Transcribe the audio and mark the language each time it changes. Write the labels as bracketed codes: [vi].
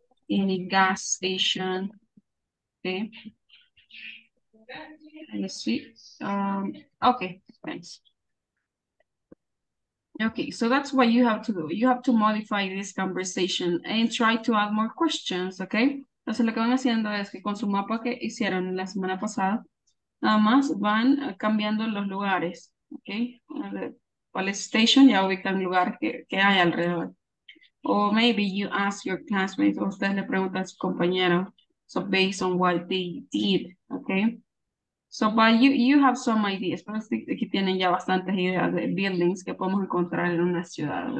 [en] Any gas station. Okay. Let's see. Okay, thanks. Okay, so that's what you have to do. You have to modify this conversation and try to add more questions, okay? [es] Entonces lo que van haciendo es que con su mapa que hicieron la semana pasada, nada más van cambiando los lugares, okay? Police station, ya ubican lugar que hay alrededor. [en] Or maybe you ask your classmates, [es] o ustedes le preguntan a su compañero, [en] so based on what they did, okay? So, but you have some ideas, [es] pero sí que tienen ya bastantes ideas de buildings que podemos encontrar en una ciudad.